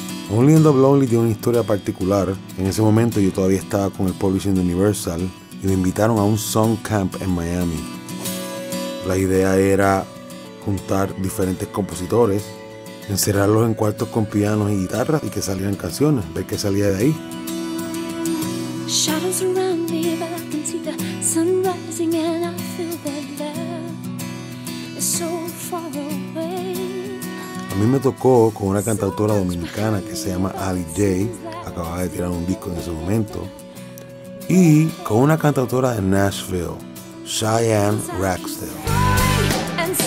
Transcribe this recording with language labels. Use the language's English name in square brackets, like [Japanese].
[Spanish] Only in the Lonely tiene una historia particular. En ese momento yo todavía estaba con el publishing de Universal y me invitaron a un song camp en Miami. La idea era juntar diferentes compositores, encerrarlos en cuartos con pianos y guitarras y que salieran canciones, ver qué salía de ahí. [English] Shadows around me, but I can see the sun rising and I feel that love is so far away. [Spanish] A mí me tocó con una cantautora dominicana que se llama Ali J, acababa de tirar un disco en ese momento, y con una cantautora de Nashville, Cheyenne Raxdale.